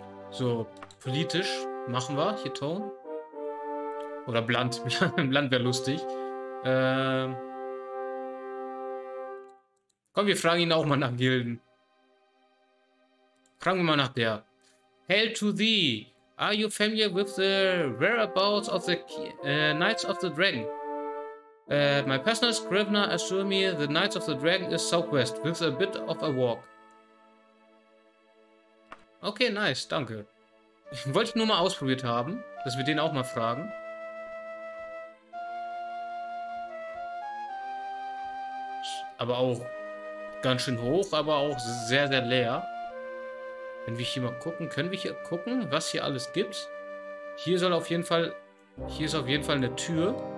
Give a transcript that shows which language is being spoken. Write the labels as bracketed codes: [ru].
[de] So, politisch. Machen wir hier Ton? Oder Blunt? Blunt wäre lustig. Komm, wir fragen ihn auch mal nach Gilden. Fragen wir mal nach der. [en] Hail to thee! Are you familiar with the whereabouts of the Knights of the Dragon? My personal scrivener assure me the Knights of the Dragon is southwest with a bit of a walk. [de] Okay, nice, danke. Wollte ich nur mal ausprobiert haben, dass wir den auch mal fragen. Aber auch ganz schön hoch, aber auch sehr, sehr leer. Wenn wir hier mal gucken, können wir hier gucken, was hier alles gibt? Hier soll auf jeden Fall, hier ist auf jeden Fall eine Tür.